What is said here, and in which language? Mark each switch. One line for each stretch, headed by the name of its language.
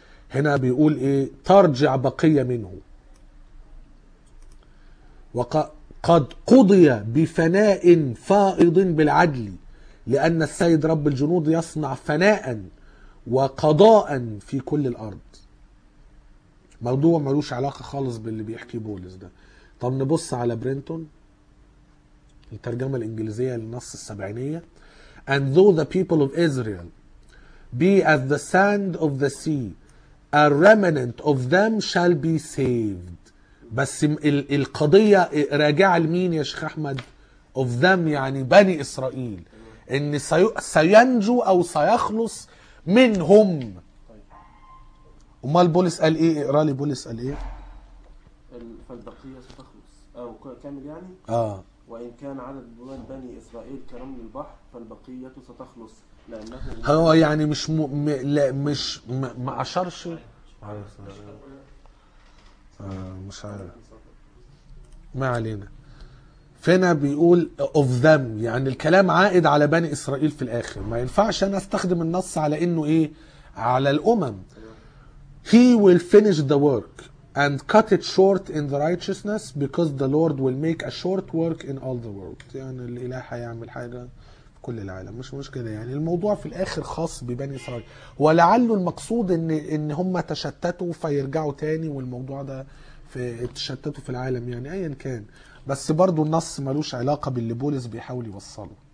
Arabic: هنا بيقول إيه؟ ترجع بقية منه، وقد قضي بفناء فائض بالعدل، لأن السيد رب الجنود يصنع فناء وقضاء في كل الأرض. موضوع ملوش علاقة خالص باللي بيحكي بولس ده. طب نبص على برينتون، الترجمة الإنجليزية للنص السبعينية:
English: And though the people of Israel be as the sand of the sea, a remnant of them shall be saved.
Arabic: بس القضية راجعة لمين يا شيخ أحمد؟
English: Of them
Arabic: يعني بني إسرائيل، إن سينجو أو سيخلص منهم. أمال بولس قال إيه؟ اقرأ لي بولس قال إيه؟ فالبقية ستخلص، أو كامل يعني؟ وإن كان عدد بني إسرائيل كرمل البحر فالبقية ستخلص، لأنه هو يعني مش م... م... لا مش م... ما أشرش مش عارف، ما علينا. فينا بيقول
English: of them،
Arabic: يعني الكلام عائد على بني إسرائيل في الآخر. ما ينفعش أنا أستخدم النص على إنه إيه؟ على الأمم.
English: He will finish the work and cut it short in the righteousness, because the Lord will make a short work in all the world.
Arabic: يعني الإله هيعمل حاجة في كل العالم، مش مشكلة. يعني الموضوع في الآخر خاص ببني إسرائيل، ولعله المقصود إن هم تشتتوا فيرجعوا تاني، والموضوع ده في تشتتوا في العالم يعني أيا كان. بس برضو النص ملوش علاقة باللي بولس بيحاول يوصله.